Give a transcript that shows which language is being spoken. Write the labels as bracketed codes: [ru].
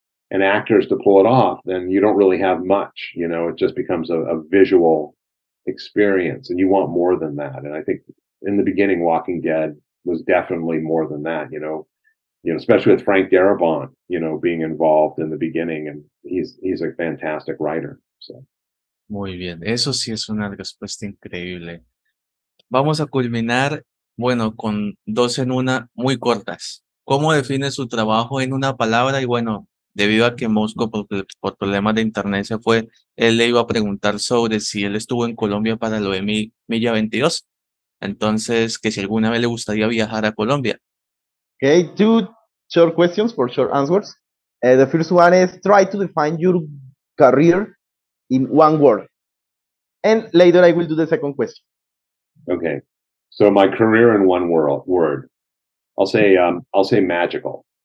[en] and actors to pull it off, then you don't really have much. You know, it just becomes a visual experience, and you want more than that. And I think in the beginning, Walking Dead was definitely more than that. You know, especially with Frank Darabont, you know, being involved in the beginning, and he's a fantastic writer. So, [es] muy bien, eso sí es una respuesta increíble. Vamos a culminar, bueno, con dos en una muy cortas. ¿Cómo define su trabajo en una palabra? Y bueno, debido a que Mosco, por problemas de internet, se fue, él le iba a preguntar sobre si él estuvo en Colombia para lo de Milla 22. Entonces, que si alguna vez le gustaría viajar a Colombia. [en] Okay, two short questions for short answers. The first one is, try to define your career in one word. And later I will do the second question. Okay, so my career in one word. I'll say magical.